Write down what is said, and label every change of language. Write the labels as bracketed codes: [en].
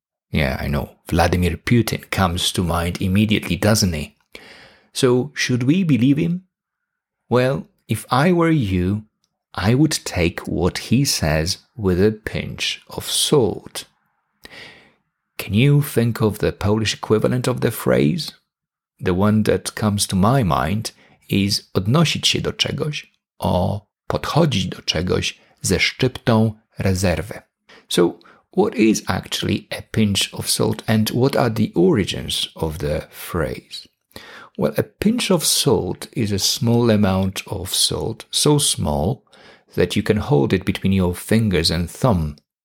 [en] Yeah, I know, Vladimir Putin comes to mind immediately, doesn't he? So, should we believe him? Well, if I were you, I would take what he says with a pinch of salt. Can you think of the Polish equivalent of the phrase? The one that comes to my mind is [pl] odnosić się do czegoś or podchodzić do czegoś ze szczyptą rezerwy. [en] So, what is actually a pinch of salt and what are the origins of the phrase? Well, a pinch of salt is a small amount of salt, so small that you can hold it between your fingers and thumb.